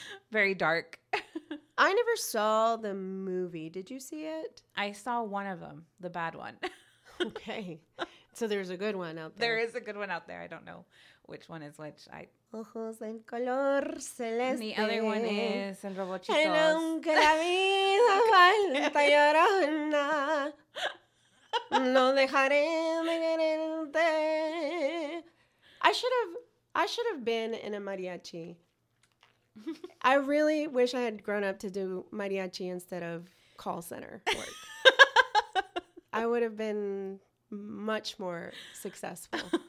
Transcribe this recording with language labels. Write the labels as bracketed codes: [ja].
[en] Very dark. I never saw the movie. Did you see it? I saw one of them, the bad one. Okay. So there's a good one out there. There is a good one out there. I don't know which one is which. [es] Ojos en color celeste. [en] And the other one is El Robo Chicos. [es] En aunque la vida falta llorona, no dejaré de quererte. [en] I should have been in a mariachi. I really wish I had grown up to do mariachi instead of call center work. I would have been much more successful.